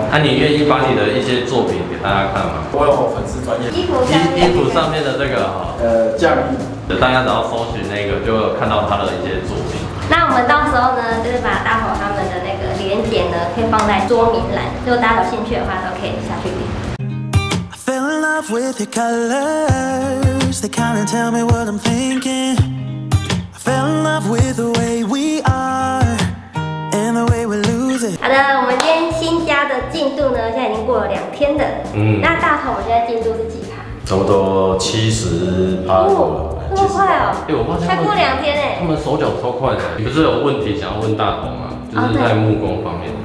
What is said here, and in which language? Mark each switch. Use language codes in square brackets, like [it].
[zh] 那你愿意把你的一些作品给大家看吗？我有粉丝专业。衣服上面的这个哈。匠衣。就大家只要搜寻那个，就有看到他的一些作品。那我们到时候呢，就是把大伙他们的那个连结呢，可以放在桌面栏，如果大家有兴趣的话，都可以下去点。 [en] With your colors, they kind of tell me what I'm thinking. I fell in love with the way we are and the way we lose it. [zh] 好的，我们今天新家的进度呢，现在已经过了2天的。嗯，那大头，我现在进度是几趴？差不多70%。哦，这么快哦！哎，我发现才过2天哎，他们手脚超快的。你不是有问题想要问大头吗？就是在木工方面。